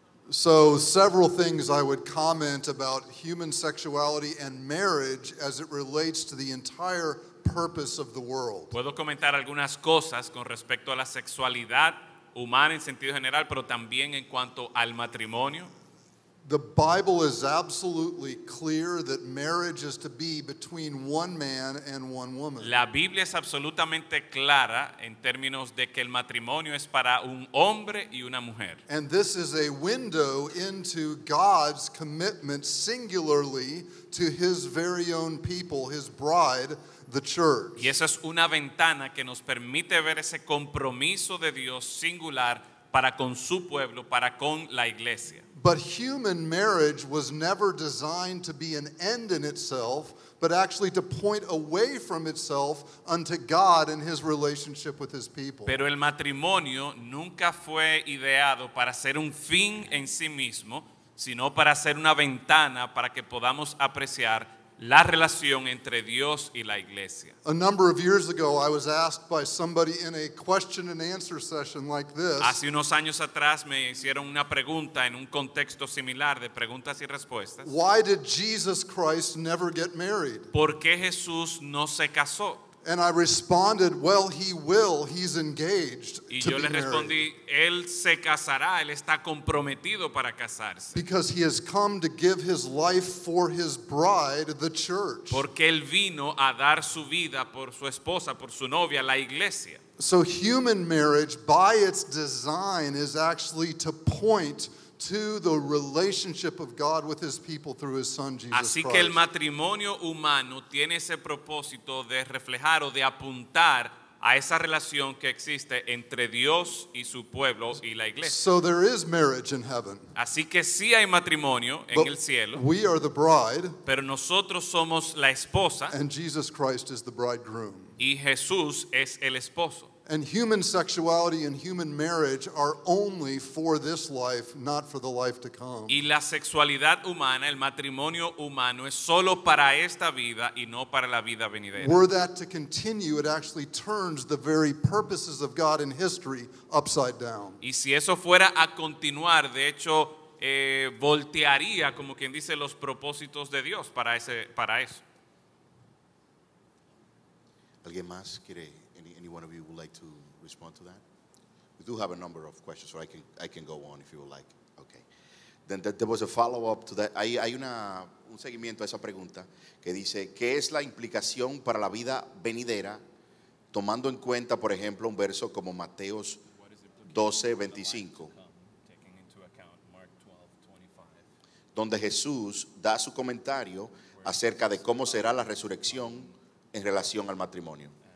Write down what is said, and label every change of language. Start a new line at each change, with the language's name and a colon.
English: So several things I would comment about human sexuality and marriage as it relates to the entire purpose of the world.
Spanish: Puedo comentar algunas cosas con respecto a la sexualidad humana en sentido general, pero también en cuanto al matrimonio.
English: The Bible is absolutely clear that marriage is to be between one man and one woman.
Spanish: La Biblia es absolutamente clara en términos de que el matrimonio es para un hombre y una mujer.
English: And this is a window into God's commitment singularly to his very own people, his bride, the church.
Spanish: Y esa es una ventana que nos permite ver ese compromiso de Dios singular para con su pueblo, para con la iglesia.
English: But human marriage was never designed to be an end in itself, but actually to point away from itself unto God and his relationship with his people.
Spanish: Pero el matrimonio nunca fue ideado para ser un fin en sí mismo, sino para ser una ventana para que podamos apreciar la relación entre Dios y la iglesia.
English: A number of years ago, I was asked by somebody in a question and answer session like this.
Spanish: Hace unos años atrás me hicieron una pregunta en un contexto similar de preguntas y respuestas.
English: Why did Jesus Christ never get married?
Spanish: ¿Por qué Jesús no se casó?
English: And I responded, well, he will, he's engaged
Spanish: y yo le
English: be
Spanish: respondí,
English: married.
Spanish: Él se casará, él está comprometido para casarse.
English: Because he has come to give his life for his bride, the church.
Spanish: Porque él vino a dar su vida por su esposa, por su novia, la iglesia.
English: So human marriage, by its design, is actually to point to the relationship of God with his people through his son Jesus
Spanish: Christ. Así que el matrimonio humano tiene ese propósito de reflejar o de apuntar a esa relación que existe entre Dios y su pueblo y la iglesia.
English: So there is marriage in heaven.
Spanish: Así que sí hay matrimonio en
English: but
Spanish: el cielo.
English: We are the bride.
Spanish: Pero nosotros somos la esposa.
English: And Jesus Christ is the bridegroom.
Spanish: Y Jesús es el esposo.
English: And human sexuality and human marriage are only for this life, not for the life to come.
Spanish: Y la sexualidad humana, el matrimonio humano, es solo para esta vida y no para la vida venidera.
English: Were that to continue, it actually turns the very purposes of God in history upside down.
Spanish: Y si eso fuera a continuar, de hecho, voltearía, como quien dice, los propósitos de Dios para ese, para eso. ¿Alguien más quiere?
English: Any one of you would like to respond to that? We do have a number of questions, so I can go on if you would like. Okay. Then there was a follow-up to that.
Spanish: Hay un seguimiento a esa pregunta que dice, ¿qué es la implicación para la vida venidera tomando en cuenta, por ejemplo, un verso como Mateos 12:25, donde Jesús da su comentario acerca de cómo será la resurrección en relación al matrimonio?